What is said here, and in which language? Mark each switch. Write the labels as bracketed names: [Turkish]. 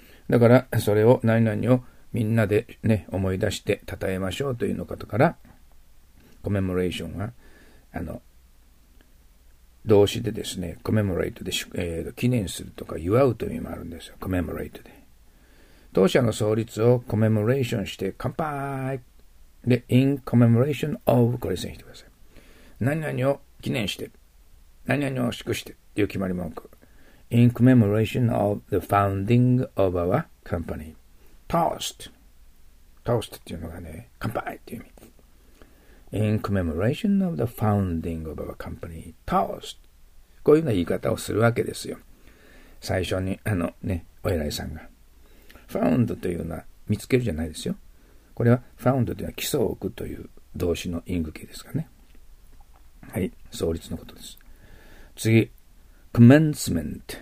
[Japanese] だからそれを、何々をみんなでね、思い出して称えましょうというのかとから、コメモレーションは動詞でですね、コメモレートで、記念するとか、祝うという意味もあるんですよ。コメモレートで。当社の創立をコメモレーションして、乾杯で、 [English] in commemoration of、 [Japanese] これ線引いてください。何々を記念して、何々を祝してっていう決まり文句。 [English] in commemoration of the founding of our company。 [Japanese] toast。 toast っていうのがね、乾杯っていう意味。 [English] In commemoration of the founding of our company, toast。 [Japanese] こういうような言い方をするわけですよ。最初にね、お偉いさんが。 found というのは見つけるじゃないですよ。これは found というのは基礎を置くという動詞のイング形ですかね。はい、創立のことです。次、commencement。